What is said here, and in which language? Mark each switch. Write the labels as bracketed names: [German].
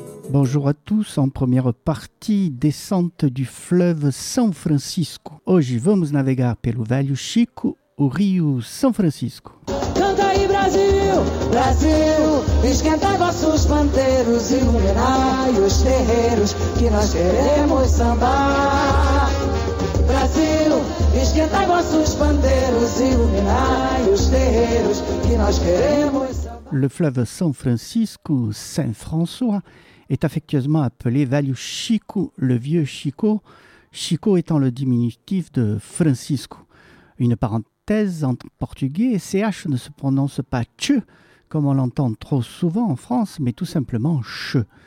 [French] Bonjour à tous, en première partie, descente du fleuve São Francisco. [Portuguese] Hoje vamos navegar pelo Velho Chico, o Rio São Francisco. Canta aí Brasil, Brasil, esquenta vossos panteiros, iluminai os terreiros que nós queremos sambar. Brasil, esquenta vossos panteiros, iluminai os terreiros que nós queremos sambar. [French] Le fleuve São Francisco, Saint-François, est affectueusement appelé Velho Chico, le vieux Chico, Chico étant le diminutif de Francisco. Une parenthèse en portugais, CH ne se prononce pas CH, comme on l'entend trop souvent en France, mais tout simplement CH.